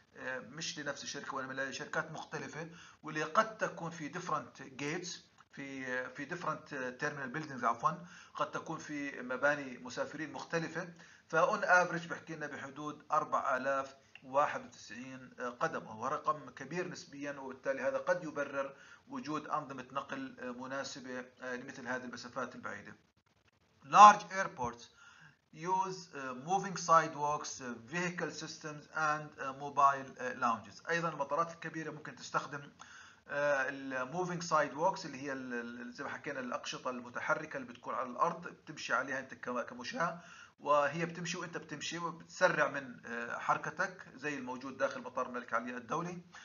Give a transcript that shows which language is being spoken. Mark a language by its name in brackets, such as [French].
[Arabic] مش لنفس الشركه وانما لشركات مختلفه واللي قد تكون في ديفرنت جيتس، في ديفرنت تيرمينال بيلدينجز عفوا، قد تكون في مباني مسافرين مختلفه، فاون افريج بحكي لنا بحدود 4091 قدم، وهو رقم كبير نسبيا، وبالتالي هذا قد يبرر وجود أنظمة نقل مناسبة لمثل هذه المسافات البعيدة. [English] Large airports use moving sidewalks, vehicle systems and mobile lounges. [Arabic] أيضا المطارات الكبيرة ممكن تستخدم moving sidewalks اللي هي زي ما حكينا الأقشطة المتحركة اللي بتكون على الأرض بتمشي عليها أنت كمشاة، وهي بتمشي وأنت بتمشي وبتسرع من حركتك زي الموجود داخل مطار الملك علي الدولي.